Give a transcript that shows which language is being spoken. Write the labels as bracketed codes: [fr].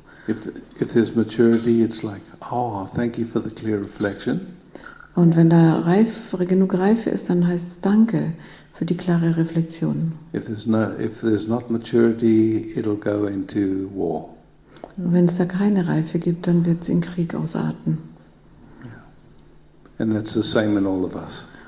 [en] If there's maturity, it's like, oh, thank you for the clear reflection. [de] Und wenn da genug Reife ist, dann heißt es danke für die klare Reflexion. [en] If there's not maturity, it'll go into war. [de] Wenn es da keine Reife gibt, dann wird es in Krieg ausarten. [en] Yeah. And that's the same in all of us.